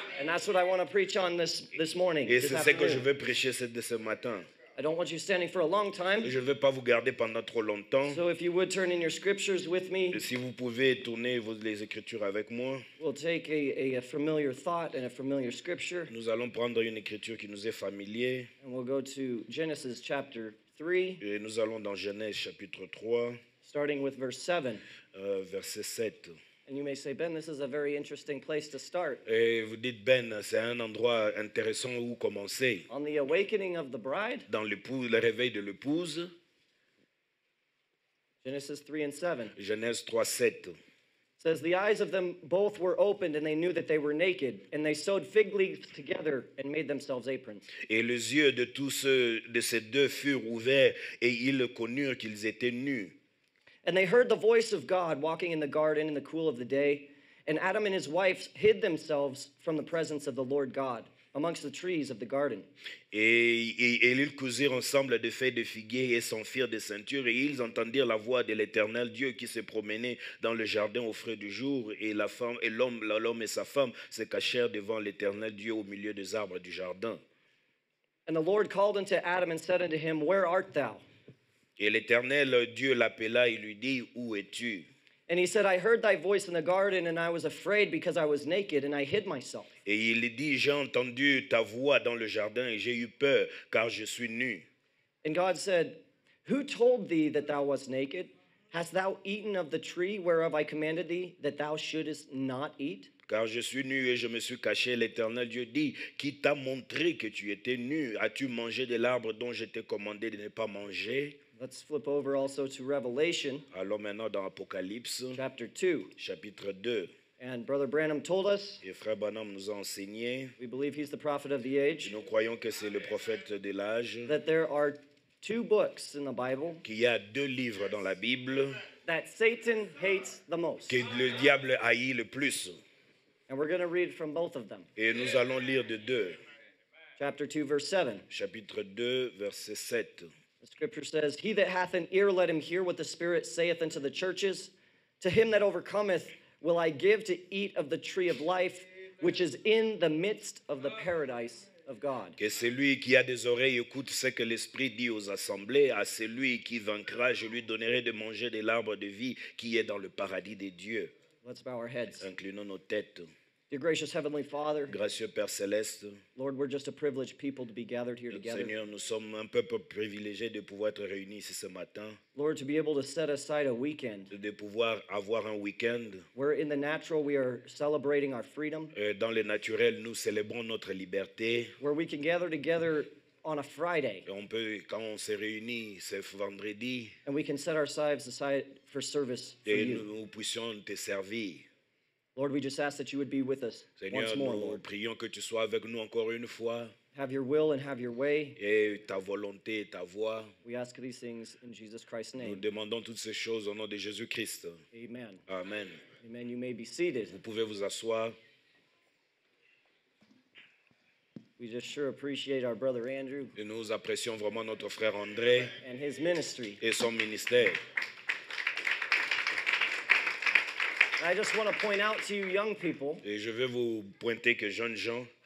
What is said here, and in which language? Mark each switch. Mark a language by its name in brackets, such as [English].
[English] And that's what I want to preach on this morning. [French] Et c'est ce que je veux prêcher ce matin. [English] I don't want you standing for a long time. [French] Je ne veux pas vous garder pendant trop longtemps. [English] So if you would turn in your scriptures with me. [French] Et si vous pouvez tourner les écritures avec moi. [English] We'll take a familiar thought and a familiar scripture. [French] Nous allons prendre une écriture qui nous est familière. [English] And we'll go to Genesis chapter 3. [French] Et nous allons dans Genèse chapitre 3. [English] Starting with verse 7. [French] Verset 7. [English] And you may say, Ben, this is a very interesting place to start. [French] Et vous dites, Ben, c'est un endroit intéressant où commencer. [English] On the awakening of the bride. [French] Dans l'épouse, le réveil de l'épouse. [English] Genesis 3 and 7. [French] Genèse 3, 7. [English] Says, the eyes of them both were opened, and they knew that they were naked, and they sewed fig leaves together and made themselves aprons. [French] Et les yeux de tous de ces deux furent ouverts, et ils connurent qu'ils étaient nus. [English] And they heard the voice of God walking in the garden in the cool of the day. And Adam and his wife hid themselves from the presence of the Lord God amongst the trees of the garden. [French] Et ils cousirent ensemble des feuilles de figuier et s'enfirent des ceintures. Et ils entendirent la voix de l'Éternel Dieu qui se promenait dans le jardin au frais du jour. Et la femme et l'homme et sa femme se cachèrent devant l'Éternel Dieu au milieu des arbres du jardin. [English] And the Lord called unto Adam and said unto him, Where art thou? [French] Et l'Éternel Dieu l'appela et lui dit, Où es-tu? [English] And he said, I heard thy voice in the garden, and I was afraid because I was naked, and I hid myself. [French] Et il dit, J'ai entendu ta voix dans le jardin, et j'ai eu peur, car je suis nu. [English] And God said, Who told thee that thou wast naked? Hast thou eaten of the tree whereof I commanded thee that thou shouldest not eat? [French] Car je suis nu et je me suis caché. L'Éternel Dieu dit, Qui t'a montré que tu étais nu? As-tu mangé de l'arbre dont je t'ai commandé de ne pas manger? [English] Let's flip over also to Revelation. [French] Allons maintenant dans Apocalypse. [English] Chapter 2. [French] Chapitre 2. [English] And Brother Branham told us. [French] Et Frère Branham nous a enseigné. [English] We believe he's the prophet of the age. [French] Nous croyons que c'est le prophète de l'âge. [English] That there are two books in the Bible. [French] Qu'il y a deux livres dans la Bible. [English] That Satan hates the most. [French] Que le diable haït le plus. [English] And we're going to read from both of them. [French] Et nous allons lire de deux. [English] Chapter 2, verse 7. [French] Chapitre 2, verset 7. [English] The scripture says, He that hath an ear, let him hear what the Spirit saith unto the churches. To him that overcometh, will I give to eat of the tree of life, which is in the midst of the paradise of God. [French] Que celui qui a des oreilles écoute ce que l'Esprit dit aux assemblées. À celui qui vaincra, je lui donnerai de manger de l'arbre de vie qui est dans le paradis des dieux. [English] Let's bow our heads. [French] Inclinons nos têtes. [English] Dear gracious Heavenly Father, [French] gracieux Père Céleste, [English] Lord, we're just a privileged people to be gathered here together. [French] Seigneur, nous sommes un peuple privilégié de pouvoir être réunis ici ce matin. [English] Lord, to be able to set aside a weekend, [French] de pouvoir avoir un weekend, [English] where in the natural we are celebrating our freedom, [French] dans le naturel nous célébrons notre liberté, [English] where we can gather together on a Friday, [French] on peut, quand on se réunit, c'est vendredi, [English] and we can set ourselves aside for service [French] et [English] for [French] nous, [English] you. [French] Nous puissions te servir. [English] Lord, we just ask that you would be with us, [French] Seigneur, [English] once more, [French] nous [English] Lord. [French] Prions que tu sois avec nous encore une fois. [English] Have your will and have your way. [French] Et ta volonté et ta voix. [English] We ask these things in Jesus Christ's name. [French] Nous demandons toutes ces choses au nom de Jésus-Christ. [English] Amen. [French] Amen. [English] Amen. You may be seated. [French] Vous pouvez vous asseoir. [English] We just sure appreciate our brother Andrew. [French] Et nous apprécions vraiment notre frère André. [English] And his ministry. [French] Et son ministère. [English] I just want to point out to you young people. [French] Et je veux vous pointer que jeunes gens.